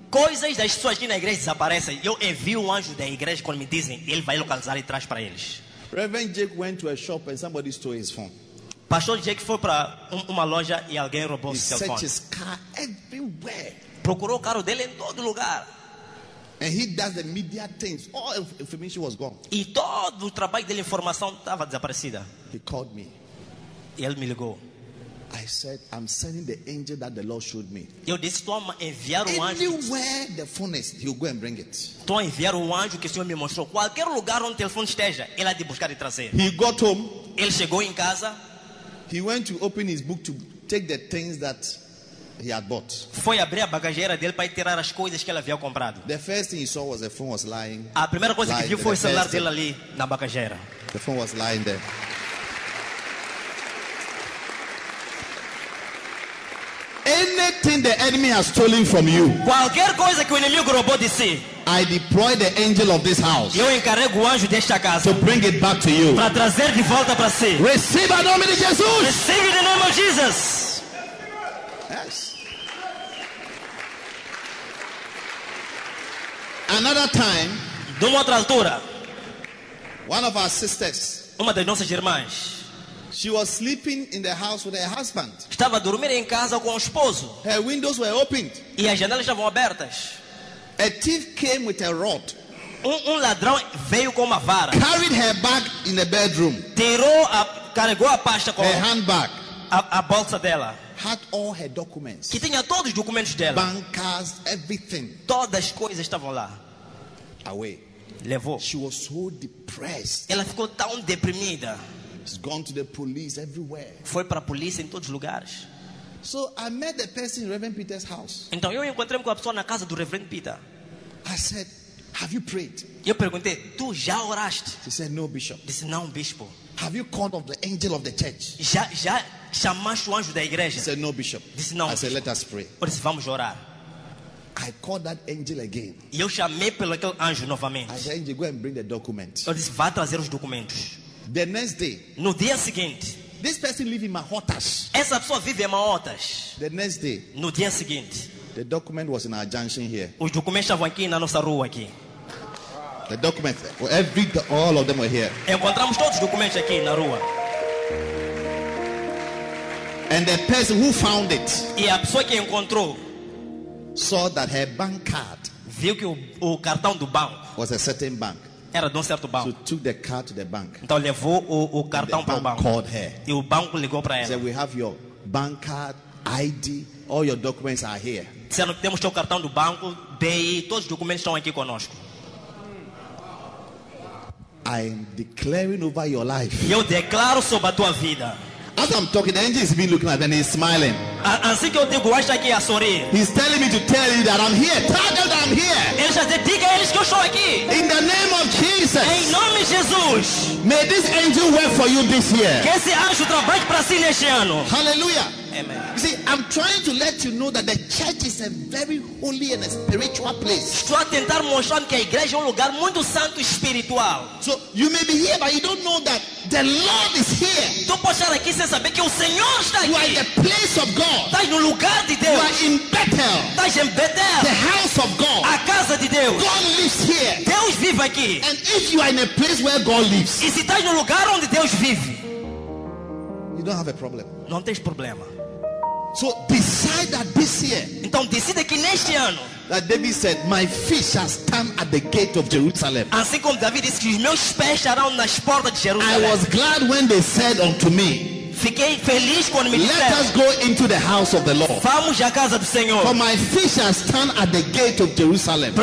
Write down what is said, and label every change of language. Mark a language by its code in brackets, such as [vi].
[pt] Coisas das pessoas aqui na igreja desaparecem. Eu envio anjo da igreja quando me dizem, ele vai localizar e traz para eles. [en] Reverend Jake went to a shop and somebody stole his phone. [pt] Pastor Jake foi para uma loja e alguém roubou seu telefone. [en] He searched his car everywhere. [pt] Procurou o carro dele em todo lugar. [en] And he does the media things. All information was gone. [pt] E todo o trabalho dele, informação estava desaparecida. [en] He called me. [pt] Ele me ligou. [en] I said, I'm sending the angel that the Lord showed me. [pt] Eu disse, estou a enviar um anjo. [en] Anywhere the phone is, he'll go and bring it. [pt] Estou a enviar um anjo que o Senhor me mostrou. Qualquer lugar onde o telefone esteja, ele há de buscar e trazer. [en] He got home. [pt] Ele chegou em casa. [en] He went to open his book to take the things that he had bought. [pt] Foi abrir a bagageira dele para tirar as coisas que ele havia comprado. [en] The first thing he saw was the phone was lying. [pt] A primeira coisa que viu foi o celular dele ali na bagageira. [en] The phone was lying there. Anything the enemy has stolen from you. [pt] Qualquer coisa que o inimigo roubou de si. [en] I deploy the angel of this house. [pt] Eu encarrego o anjo desta casa. [en] To bring it back to you. [pt] Para trazer de volta para si. Receba o nome de Jesus. Receba o nome de Jesus. [en] Yes. Another time, [pt] de uma outra altura, [en] one of our sisters, [pt] uma das nossas irmãs, [en] she was sleeping in the house with her husband. [pt] Estava a dormir em casa com o esposo. [en] Her windows were opened. [pt] E as janelas estavam abertas. [en] A thief came with a rod. [pt] Um ladrão veio com uma vara. [en] Carried her bag in the bedroom. [pt] Tirou a carregou a pasta com [en] her handbag. [pt] A bolsa dela. [en] had all her documents. [pt] Que tinha todos os documentos dela. [en] Bankers, everything. [pt] Todas as coisas estavam lá. [en] Away. [pt] Levou. [en] She was so depressed. [pt] Ela ficou tão deprimida. [en] She's gone to the police everywhere. [pt] Foi para a polícia em todos os lugares. [en] So I met the person in Reverend Peter's house. [pt] Então eu encontrei com a pessoa na casa do Reverend Peter. [en] I said, "Have you prayed?" [pt] Eu perguntei, "Tu já oraste?" [en] She said, "No, bishop." [pt] Disse, "Não, bispo." [en] "Have you called of the angel of the church?" [pt] Já chamaste o anjo da igreja? [en] She said, "No, bishop." [pt] Disse, "Não." [en] I said, "Let us pray." [pt] Eu disse, "Vamos orar." [en] I called that angel again. [pt] E eu chamei pelo aquele anjo novamente. [en] I said, "Angel, go and bring the documents." [pt] Eu disse, "Vá trazer os documentos." [en] The next day. [pt] No dia seguinte. [en] This person lives in Mahotas. [pt] Essa pessoa vive em Mahotas. [en] The next day. [pt] No dia seguinte. [en] The document was in our junction here. [pt] Os documentos estavam aqui na nossa rua aqui. [en] The documents, all of them were here. [pt] Encontramos todos os documentos aqui na rua. [en] And the person who found it. [pt] E a pessoa que encontrou. [en] Saw that her bank card. [pt] Viu que o cartão do banco. [en] Was a certain bank. [pt] Era de um certo banco. [en] So took the card to the bank. [pt] Então levou o cartão para o banco. E o banco ligou para ela. [en] Said, "We have your bank card, ID, all your documents are here." [pt] Disseram que temos o cartão do banco, BI, todos os documentos estão aqui conosco. [en] I am declaring over your life. [pt] Eu declaro sobre a tua vida. [en] As I'm talking, the angel has been looking at me and he's smiling. [pt] Assim que eu digo, acho aqui a sorrir. [en] He's telling me to tell you that I'm here. Tell them that I'm here. [pt] Ele já disse, diga a eles que eu estou aqui. [en] In the name of Jesus. [pt] Em nome de Jesus. [en] May this angel work for you this year. [pt] Que esse anjo trabalhe para si neste ano. [en] Hallelujah. Amen. You see, I'm trying to let you know that the church is a very holy and a spiritual place. [pt] Estou a tentar mostrar que a igreja é lugar muito santo e espiritual. [en] So you may be here, but you don't know that the Lord is here. [pt] Tu pode estar aqui sem saber que o Senhor está aqui. [en] You are in the place of God. [pt] Estás no lugar de Deus. [en] You are in Bethel. [pt] Estás em Bethel. [en] The house of God. [pt] A casa de Deus. [en] God lives here. [pt] Deus vive aqui. [en] And if you are in a place where God lives, [pt] e se estás no lugar onde Deus vive, [en] you don't have a problem. [pt] Não tens problema. [en] So decide that this year. [pt] Então decide que neste ano. [en] That David said, "My feet shall stand at the gate of Jerusalem." [pt] Assim como David disse que meus pés estarão nas portas de Jerusalém. [en] I was glad when they said unto me. [pt] Fiquei feliz quando me disseram. [en] Let us go into the house of the Lord. [pt] Vamos à casa do Senhor. [en] For my feet shall stand at the gate of Jerusalém.